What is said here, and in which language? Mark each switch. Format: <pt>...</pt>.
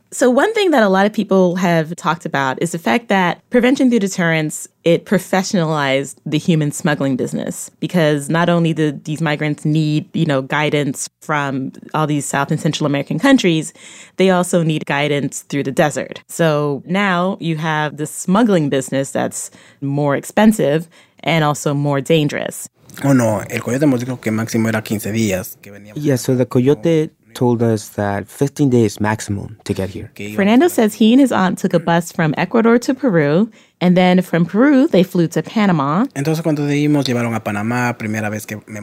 <en>So one thing that a lot of people have talked about is the fact that prevention through deterrence, it professionalized the human smuggling business because not only did these migrants need, you know, guidance from all these South and Central American countries, they also need guidance through the desert. So now you have the smuggling business that's more expensive and also more dangerous. Oh, no.</en> <es>El coyote nos dijo que máximo era 15 días.</es> <en>Yeah, so the coyote told us that 15 days maximum to get here. Fernando says he and his aunt took a bus from Ecuador to Peru, and then from Peru, they flew to Panama.</en> <es>Entonces, cuando dijimos, llevaron a Panamá, primera vez que me</es>